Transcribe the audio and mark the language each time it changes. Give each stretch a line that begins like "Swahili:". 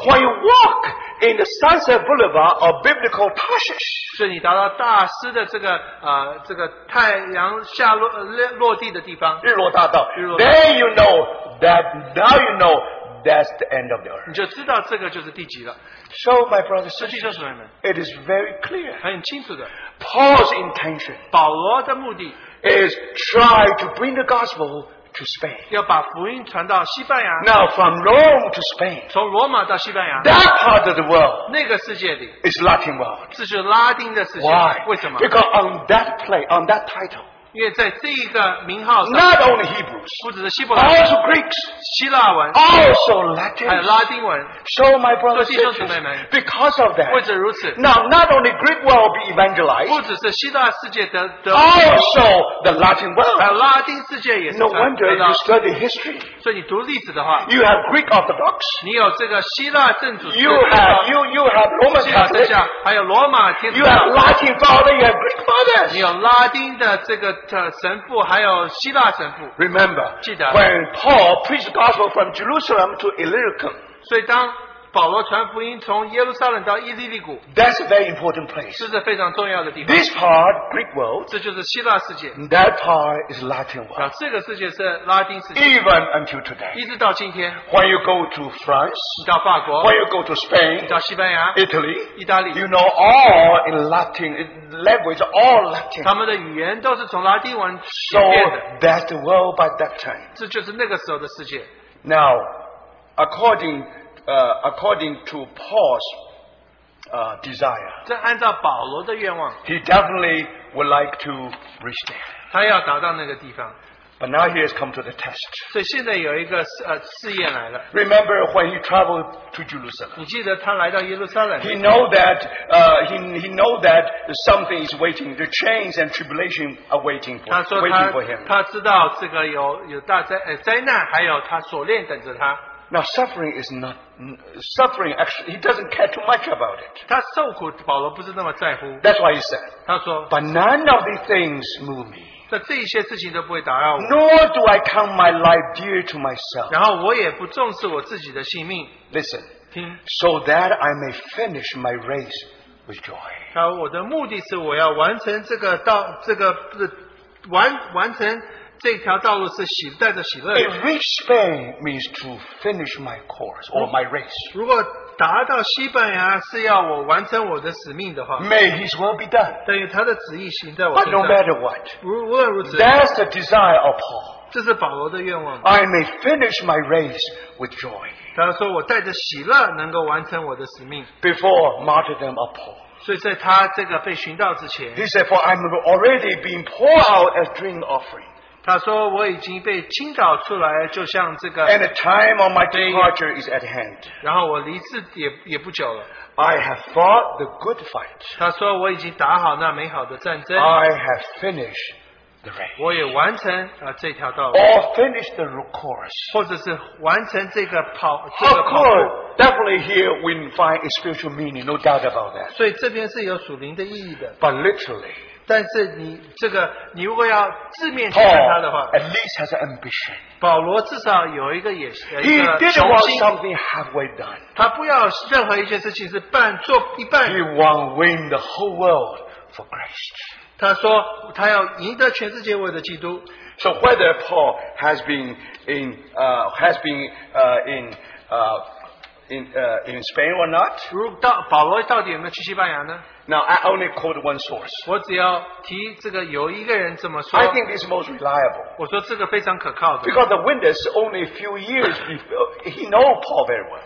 English: when you walk in the Sunset Boulevard of Biblical Tarshish,
Chinese: 所以你达到大师的这个, 这个太阳下落地的地方, 日落大道, 日落大道,
English: then you know that, now you know that's the end of the earth.
Chinese: 你就知道这个就是地极了。
English: So, my brothers and sisters, it is very clear.
Chinese: 很清楚的,
English: Paul's intention,
Chinese: 保罗的目的,
English: is try to bring the gospel to Spain.
Chinese: 要把福音传到西班牙,
English: now from Rome to Spain.
Chinese: 从罗马到西班牙,
English: that part of the world,
Chinese: 那个世界里,
English: is Latin world.
Chinese: 这是拉丁的世界,
English: why?
Chinese: 为什么?
English: Because on that play, on that title,
Chinese: 因为在这一个名号上,
English: not only Hebrews,
Chinese: 不只是希伯来文,
English: also Greeks,
Chinese: 希腊文,
English: also Latin,
Chinese: 还有拉丁文,
English: so my brothers and sisters, because of that,
Chinese: 或者如此,
English: now not only Greek world will be evangelized,
Chinese: 不只是希腊世界的,
English: also the Latin world,
Chinese: 还有拉丁世界也是,
English: no wonder you study history,
Chinese: 所以你读历史的话,
English: you have Greek Orthodox,
Chinese: 你有这个希腊正主教,
English: you have Roman Catholic,
Chinese: 还有罗马天主教,
English: you have Latin father, you have Greek father,
Chinese: 你有拉丁的这个, 神父, 还有希腊神父,
English: remember,
Chinese: 记得,
English: when Paul preached the gospel from Jerusalem to Illyricum,
Chinese: 所以当保罗传福音从耶路撒冷到伊利利谷,
English: that's a very important place.
Chinese: 这是非常重要的地方,
English: this part, Greek world,
Chinese: 这就是希腊世界,
English: that part is Latin world. Even until today,
Chinese: 一直到今天,
English: when you go to France,
Chinese: 你到法国,
English: when you go to Spain,
Chinese: 你到西班牙,
English: Italy,
Chinese: 意大利,
English: you know all in Latin. Language all Latin.
Chinese: 他们的语言都是从拉丁文,
English: so that's the world by that time.
Chinese: 这就是那个时候的世界。
English: Now, according to Paul's desire,
Chinese: 这按照保罗的愿望,
English: he definitely would like to reach there.
Chinese: 他要达到那个地方。
English: But now he has come to the test.
Chinese: 所以现在有一个, 试验来了。
English: Remember when he traveled to Jerusalem.
Chinese: 你记得他来到耶路撒冷,
English: he know that he know that something is waiting, the chains and tribulation are waiting for,
Chinese: 他说他,
English: waiting for him.
Chinese: 他知道这个有大灾难还有他锁链等着他。
English: Now suffering is not suffering, actually he doesn't care too much about it.
Chinese: 他受苦,
English: that's why he said,
Chinese: 他说,
English: but none of these things move me.
Chinese: 这些事情都不会打扰我,
English: nor do I count my life dear to myself.
Chinese: 然后我也不重视我自己的性命,
English: listen,
Chinese: 听,
English: so that I may finish my race with joy.
Chinese: 我的目的是我要完成这个道路是喜带着喜乐,
English: if reach Spain means to finish my course or my race,
Chinese: 达到西班牙是要我完成我的使命的话,
English: may his will be done.
Chinese: 等于他的旨意行在我身上,
English: but no matter what,
Chinese: 无论如此,
English: that's the desire of Paul.
Chinese: 这是保罗的愿望,
English: I may finish my race with joy.
Chinese: 他说我带着喜乐能够完成我的使命,
English: before martyrdom of Paul.
Chinese: 所以在他这个被寻道之前,
English: he said, for I'm already being poured out as drink offering.
Chinese: 他说我已经被倾倒出来就像这个,
English: and the time of my departure is at hand.
Chinese: 然后我离世也不久了,
English: I have fought the good fight.
Chinese: 他说我已经打好那美好的战争,
English: I have finished the race.
Chinese: 我也完成, 这条道路,
English: or finished the course.
Chinese: 或者是完成这个跑,
English: of course, definitely here we find a spiritual meaning, no doubt about that.
Chinese: 所以这边是有属灵的意义的,
English: but literally,
Chinese: 但是你这个你如果要字面去看他的话,
English: Paul at least has an ambition.
Chinese: 保罗至少有一个野心,
English: he didn't want something halfway done.
Chinese: 他不要任何一件事情是半做一半,
English: he won't win the whole world for Christ.
Chinese: 他说他要赢得全世界为了基督。
English: So whether Paul has been in Spain or not?
Chinese: 保罗到底有没有去西班牙呢？
English: Now I only quote one source.
Chinese: 我只要提这个有一个人这么说。
English: I think this is most reliable.
Chinese: 我说这个非常可靠的。
English: Because the witness only a few years before he know Paul very well.